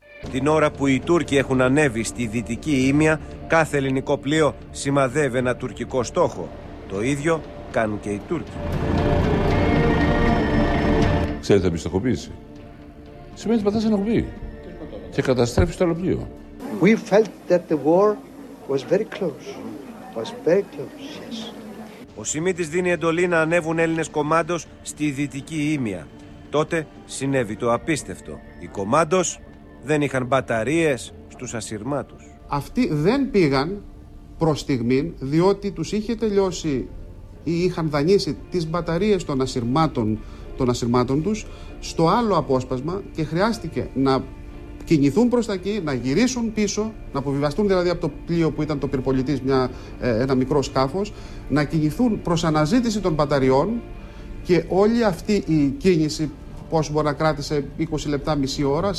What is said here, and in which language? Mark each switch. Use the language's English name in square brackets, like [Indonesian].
[Greek] Την ώρα που οι Τούρκοι έχουν ανέβει στη δυτική Ήμια, κάθε ελληνικό πλοίο σημαδεύει ένα τουρκικό στόχο. Το ίδιο κάνουν και οι Τούρκοι. Ξέρετε, μη στοχοποίηση. Σημαίνει ότι πατάς ένα κουμπί και καταστρέφεις το άλλο πλοίο. [English] We felt that the war was very close. Was very close, yes. [Greek] Ο Σιμίτης δίνει εντολή να ανέβουν Έλληνες κομάντος στη δυτική Ήμια. Τότε συνέβη το απίστευτο. Οι κομάντος δεν είχαν μπαταρίες στους ασυρμάτους. Αυτοί δεν πήγαν προς στιγμήν, διότι τους είχε τελειώσει ή είχαν δανείσει τις μπαταρίες των ασυρμάτων, τους στο άλλο απόσπασμα και χρειάστηκε να κινηθούν προς τα εκεί, να γυρίσουν πίσω, να αποβιβαστούν δηλαδή από το πλοίο που ήταν το πυρπολιτής, ένα μικρό σκάφος, να κινηθούν προς αναζήτηση των μπαταριών και όλη αυτή η κίνηση, πόσο μπορεί να κράτησε 20 λεπτά, μισή ώρα.